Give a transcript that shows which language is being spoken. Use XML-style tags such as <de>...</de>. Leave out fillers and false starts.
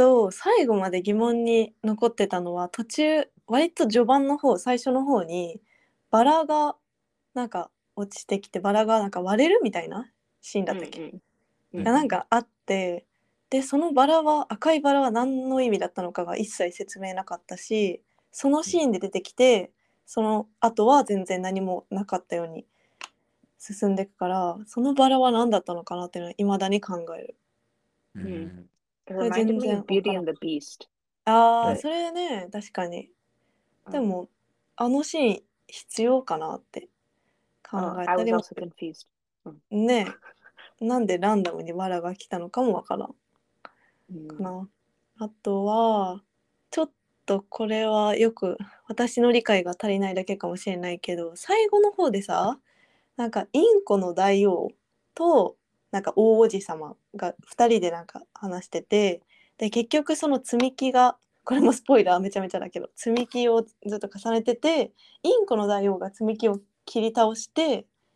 <ja>最後まで疑問に残ってたのは、途中割と序盤の方、最初の方にバラがなんか落ちてきて、バラがなんか割れるみたいなシーンだったっけ、なんかあって、でそのバラは、赤いバラは何の意味だったのかが一切説明なかったし、そのシーンで出てきて、その後は全然何もなかったように進んでいくから、そのバラは何だったのかなっていうのは未だに考える。</ja> <en>It reminded me of Beauty and the Beast.</en> <ja>ああ、それね、確かに。でも、あのシーン必要かなって考えたり。</ja> <en>I was also confused.</en> <ja>ねえ、なんでランダムにバラが来たのかもわからん。かな。あとは、ちょっとこれはよく私の理解が足りないだけかもしれないけど、最後の方でさ、なんかインコの大王と、なんか大おじさまが2人でなんか話してて、で結局その積み木が、これもスポイラーめちゃめちゃだけど、積み木をずっと重ねてて、インコの大王が積み木を切り倒して、</ja>